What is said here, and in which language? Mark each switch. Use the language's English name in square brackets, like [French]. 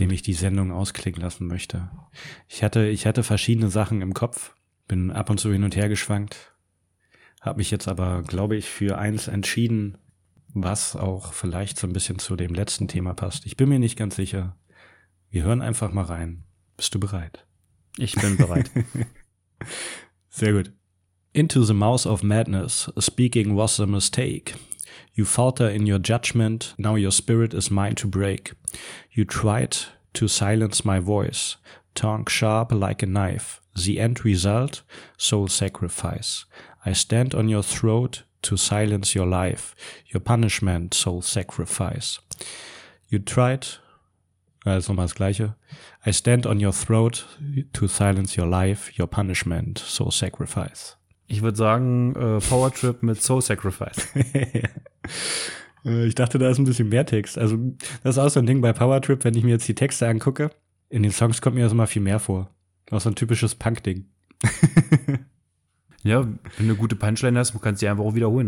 [German] Mit dem ich die Sendung ausklingen lassen möchte. Ich hatte verschiedene Sachen im Kopf, bin ab und zu hin und her geschwankt, habe mich jetzt aber, glaube ich, für eins entschieden, was auch vielleicht so ein bisschen zu dem letzten Thema passt. Ich bin mir nicht ganz sicher. Wir hören einfach mal rein. Bist du bereit? Ich bin bereit. Sehr gut. [English] Into the mouth of madness, speaking was a mistake. You falter in your judgment, now your spirit is mine to break. You tried to silence my voice, tongue sharp like a knife. The end result, soul sacrifice. I stand on your throat to silence your life, your punishment, soul sacrifice. You tried... [German] Also nochmal das Gleiche. [English] I stand on your throat to silence your life, your punishment, soul sacrifice. [German] Ich würde sagen, Power Trip mit Soul Sacrifice. Ich dachte, da ist ein bisschen mehr Text. Also das ist auch so ein Ding bei Power Trip, wenn ich mir jetzt die Texte angucke. In den Songs kommt mir das immer viel mehr vor. Auch so ein typisches Punk-Ding. Ja, wenn du eine gute Punchline hast, kannst du sie einfach auch wiederholen.